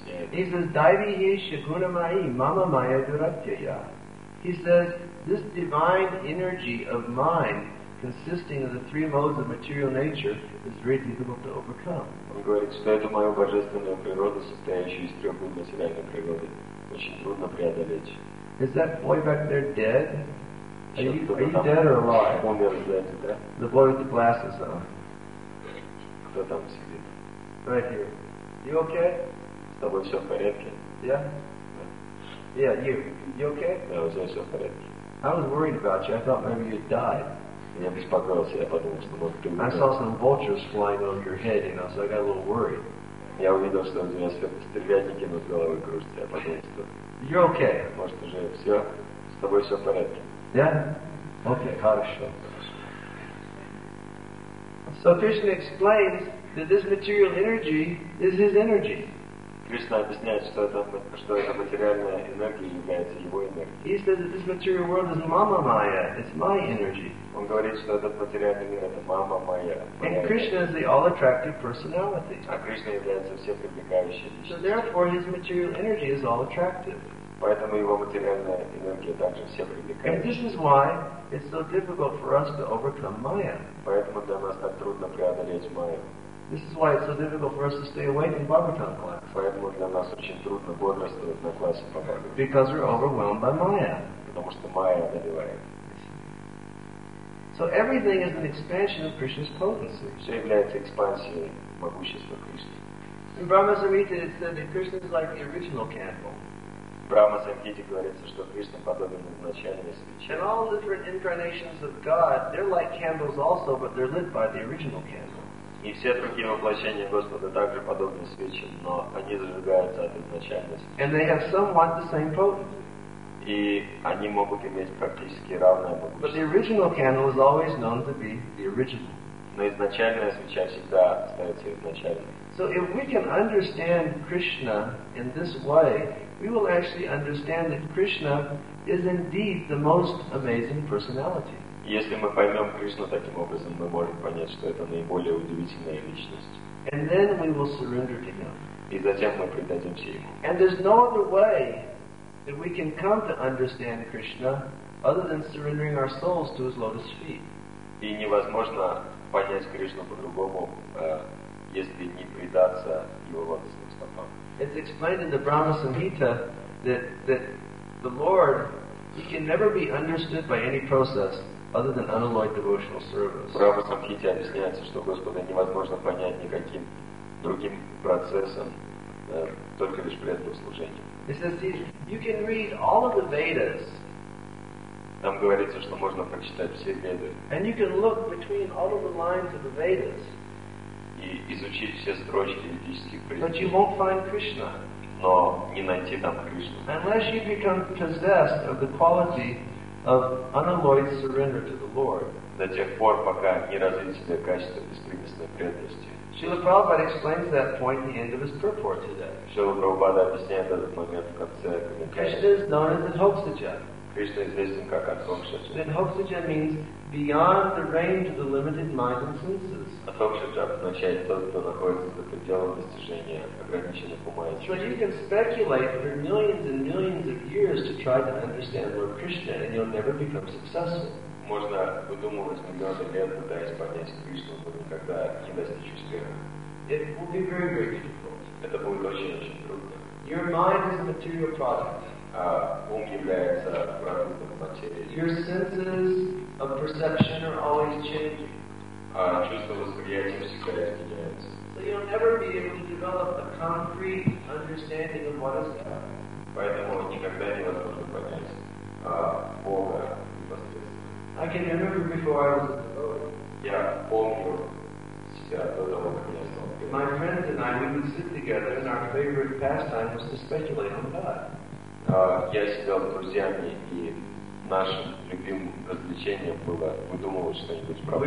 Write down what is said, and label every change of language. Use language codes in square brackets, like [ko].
[en] He says, [sa] Daivi Hesha Gunamai Mama Maya Duratyaya. [en] He says, this divine energy of mind consisting of the three modes of material nature is very difficult to overcome. [ru] Он говорит, что эту мою божественную природу, состоящую из трех мод материальной природы, очень трудно преодолеть. [en] Is that boy back there dead? Are you dead or alive? The boy with the glasses on. [ru] Кто там сидит? [en] Right here. You okay? [ru] С тобой все в порядке? [en] Yeah? Yeah, you. You okay? [ru] Я уже все в порядке. [en] I was worried about you. I thought maybe you'd died. [ru] Я беспокоился. Я подумал, что может ты умер. [en] I saw some vultures flying over your head, you know, so I got a little worried. [ru] Я увидел, что у меня сверху стервятники над головой кружатся. Я подумал, что. [en] You're okay. [ru] Может уже все с тобой все в порядке. [en] Yeah. Okay. [ru] Хорошо. [en] So Krishna explains that this material energy is his energy. [ru] Krishna объясняет, что эта материальная энергия является его энергией. [en] He says that this material world is mama maya, it's my energy. [ru] Он говорит, что этот материальный мир это мама майя. [en] And Krishna is the all-attractive personality. [ru] А Кришна является всепривлекающей личностью. [en] So therefore his material energy is all-attractive. [ru] Поэтому его материальная энергия также всепривлекающая. [en] And this is why it's so difficult for us to overcome maya. [ru] Поэтому для нас так трудно преодолеть майю. [en] This is why it's so difficult for us to stay away from Bhagavatam class. [ru] Поэтому для нас очень трудно бодрствовать на классе по Бхагавад. [en] Because we're overwhelmed by Maya. [ru] Потому что Майя одолевает. [en] So everything is an expansion of Krishna's potency. [ru] Все является экспансией могущества Кришны. [en] In Brahma Samhita it said that Krishna is like the original candle. [ru] В Брахма Самхите говорится, что Кришна подобен изначальной свече. [en] And all different incarnations of God, they're like candles also, but they're lit by the original candle. [ru] И все другие воплощения Господа также подобны свечам, но они зажигаются от изначальной свечи. [en] And they have somewhat the same potency. [ru] И они могут иметь практически равное могущество. [en] But the original candle is always known to be the original. [ru] Но изначальная свеча всегда остается изначальной. [en] So if we can understand Krishna in this way, we will actually understand that Krishna is indeed the most amazing personality. [ru] Если мы поймем Кришну таким образом, мы можем понять, что это наиболее удивительная личность. [en] And then we will surrender to him. [ru] И затем мы предадимся ему. [en] And there's no other way that we can come to understand Krishna other than surrendering our souls to his lotus feet. [ru] И невозможно понять Кришну по-другому, если не предаться его лотосным стопам. [en] It's explained in the Brahma Samhita that the Lord, he can never be understood by any process other than unalloyed devotional service. [ru] Брахма Самхите объясняется, что Господа невозможно понять никаким другим процессом, только лишь преданным служением. [en] He says, you can read all of the Vedas. [ru] Там говорится, что можно прочитать все Веды. [en] And you can look between all of the lines of the Vedas. [ru] И изучить все строчки ведических предметов. [en] But you won't find Krishna. [ru] Но не найти там Кришну. [en] Unless you become possessed of the quality of unalloyed surrender to the Lord. [ru] До тех пор, пока не развить себя качество беспристрастной преданности. [en] Srila Prabhupada explains that point at the end of his purport today. [ru] Srila Prabhupada объясняет этот момент в конце комментария. [en] Krishna is known as Adhoksajan. [ru] Krishna известен как Adhoksajan. [en] Adhoksajan means beyond the range of the limited mind and senses. [ru] Adhoksajan означает тот, кто находится за пределом достижения ограниченных ума и чувств. [en] So you can speculate for millions and millions of years to try to understand Lord Krishna and you'll never become successful. [ru] Можно выдумывать миллионы лет, пытаясь понять Кришну, но никогда не достичь успеха. [en] It will be very, very difficult. [ru] Это будет очень-очень трудно. [en] Your mind is a material product. [ru] Ум является продуктом материи. [en] Your senses of perception are always changing. [ru] Чувство восприятия всегда меняется. [en] So you'll never be able to develop a concrete understanding of what is God. [ru] Поэтому никогда невозможно понять Бога. [en] I can remember before I was a devotee. [ru] Я помню себя до того, как я стал первым. [en] My friends and I, we would sit together and our favorite pastime was to speculate on God. [ru] Я сидел с друзьями, и нашим любимым развлечением было выдумывать что-нибудь про Бога.